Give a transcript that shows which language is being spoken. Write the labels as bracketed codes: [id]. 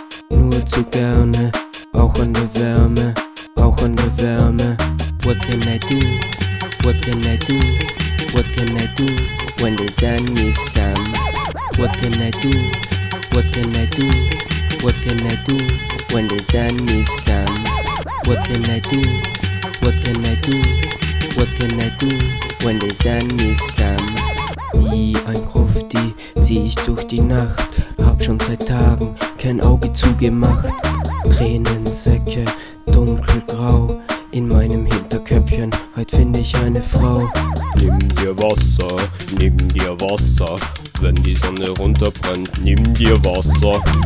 [de] Nur zu gerne, auch an der Wärme, auch an der Wärme. [en] What can I do? What can I do? What can I do when the sun is gone? What can I do? What can I do? What can I do when the sun is gone? What can I do? What can I do? What can I do when the sun is gone? [de] Wie ein Krufti zieh ich durch die Nacht. Hab schon seit Tagen kein Auge zugemacht. Tränensäcke, dunkelgrau. In meinem Hinterköpfchen, heut find ich eine Frau. Nimm dir Wasser, nimm dir Wasser. Wenn die Sonne runterbrennt, nimm dir Wasser.